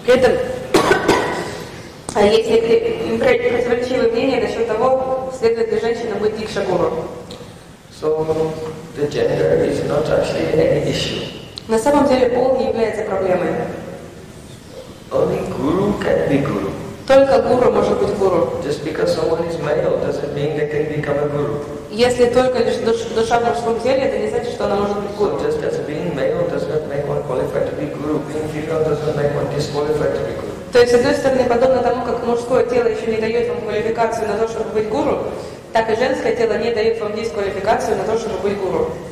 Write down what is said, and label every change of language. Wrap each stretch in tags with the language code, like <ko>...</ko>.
<ru>При этом есть противоречивое мнение насчет того, следует ли женщинам быть диксха гуру.</ru> <en>So the gender is not actually any issue.</en> <ru>На самом деле пол не является проблемой.</ru> <en>Only guru can be guru.</en> <ru>Только гуру может быть гуру.</ru> <en>Just because someone is male doesn't mean they can become a guru.</en> <ru>Если только лишь душа в мужском теле, это не значит, что она может быть гуру.</ru> <en>So just as being male does not make one qualified to be guru, being female does not make one disqualified to be guru.</en> <ru>То есть, с одной стороны, подобно тому, как мужское тело еще не дает вам квалификацию на то, чтобы быть гуру, так и женское тело не дает вам дисквалификацию на то, чтобы быть гуру.</ru>